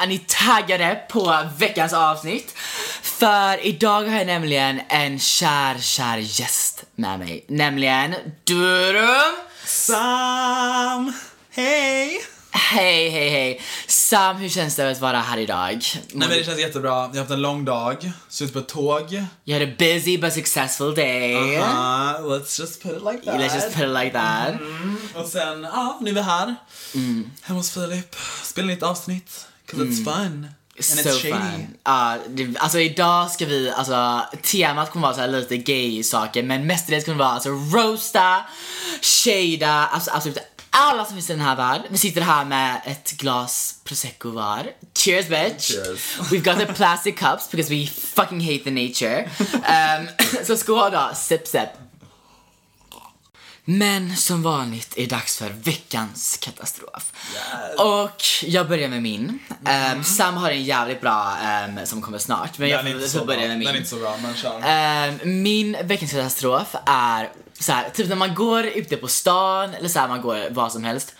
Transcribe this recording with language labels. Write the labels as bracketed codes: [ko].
[sv] Är ni taggade på veckans avsnitt? För idag har jag nämligen en kär, kär gäst med mig. Nämligen Durum Sam. Hej. Hej, hej, hej. Sam, hur känns det att vara här idag? Nej, men det känns jättebra. Jag har haft en lång dag. Suttit på tåg. [en] You had a busy but successful day. Uh-huh. Let's just put it like that. Let's just put it like that. [sv] Mm. Och sen, ja, nu är vi här. Hemma hos Filip. Spela ett avsnitt. [en] Cause it's fun. And so it's shady. [sv] Alltså idag ska vi, alltså temat kommer vara så här lite gay saker. Men mestadels kommer vara alltså roasta, shada, alltså alla som finns i den här världen. Vi sitter här med ett glas prosecco var. [en] Cheers bitch. Cheers. We've got the plastic cups because we fucking hate the nature. [sv] Så skål då, sip sip. Men som vanligt är det dags för veckans katastrof. Yes. Och jag börjar med min. Sam har en jävligt bra som kommer snart. Men jag får börja med min. Den är inte så bra, men kör. Min veckans katastrof är så här, typ när man går ute på stan eller så här, man går vad som helst.